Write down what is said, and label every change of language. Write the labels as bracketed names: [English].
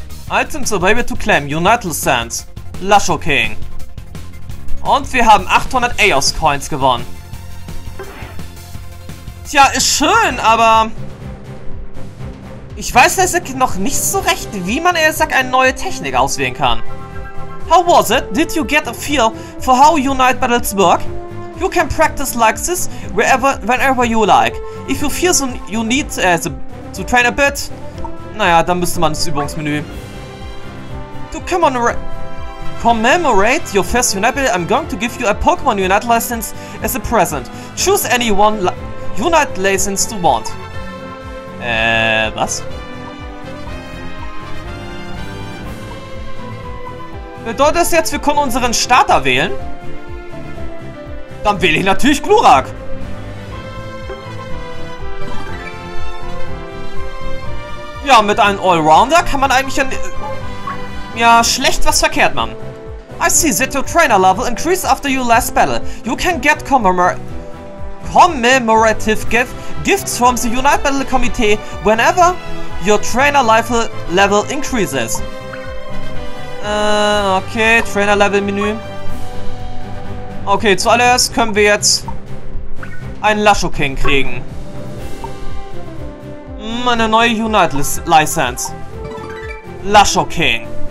[English] Items available to claim, United Sands, Lasho King. [German] Und wir haben 800 EOS Coins gewonnen. Tja, ist schön, aber... Ich weiß Isaac noch nicht so recht, wie man Isaac eine neue Technik auswählen kann. [English] How was it? Did you get a feel for how Unite Battles work? You can practice like this wherever, whenever you like. If you feel so you need to train a bit... [German] Naja, dann müsste man ins Übungsmenü. [English] To commemorate your first Unite Battle, I'm going to give you a Pokémon Unite License as a present. Choose any one Unite License to want. [German] Was? Bedeutet das jetzt, wir können unseren Starter wählen? Dann wähle ich natürlich Glurak. Ja, mit einem Allrounder kann man eigentlich ja schlecht was verkehrt machen. [English] I see that your trainer level increased after your last battle. You can get commemorative gifts from the Unite Battle Committee whenever your trainer level increases. [German] Okay, Trainer Level Menü. Okay, zuallererst können wir jetzt einen Lashoking kriegen. Eine neue Unite License. Lashoking.